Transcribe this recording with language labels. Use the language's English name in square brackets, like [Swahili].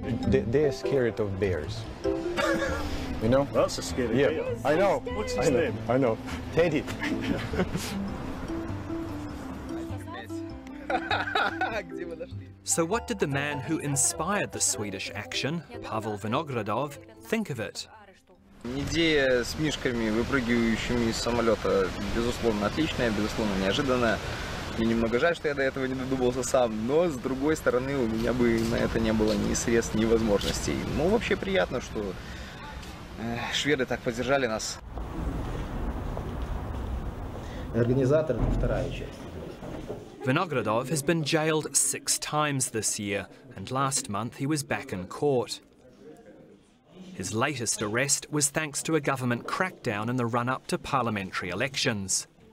[English] They're scared of bears. You know? That's a scary bear. Yeah. I know. What's his name? I know. Teddy. So what did the man who inspired the Swedish action, Pavel Vinogradov, think of it? [Russian] Идея с мишками, выпрыгивающими из самолета, безусловно, отличная, безусловно, неожиданная. Мне немного жаль, что я до этого не додумался сам, но, с другой стороны, у меня бы на это не было ни средств, ни возможностей. Ну, вообще приятно, что шведы так поддержали нас. Организатор, это вторая часть. [English] Виноградов has been jailed 6 times this year, and last month he was back in court. His latest arrest was thanks to a government crackdown in the run-up to parliamentary elections.